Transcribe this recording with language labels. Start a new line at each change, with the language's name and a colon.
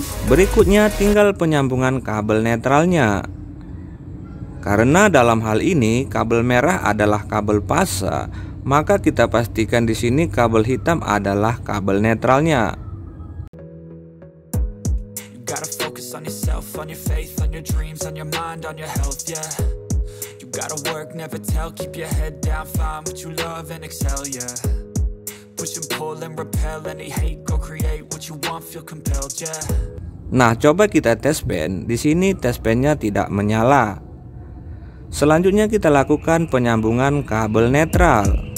Indonesian: Berikutnya tinggal penyambungan kabel netralnya. Karena dalam hal ini kabel merah adalah kabel fasa, maka kita pastikan di sini kabel hitam adalah kabel netralnya.
English: You gotta focus on yourself, on your faith, on your dreams, on your mind, on your health, yeah. You gotta work, never tell, keep your head down, find what you love and excel, yeah. Push and pull and repel any hate, go create what you want, feel compelled, yeah.
Indonesian: Nah, coba kita test pen. Di sini test pennya tidak menyala. Selanjutnya kita lakukan penyambungan kabel netral.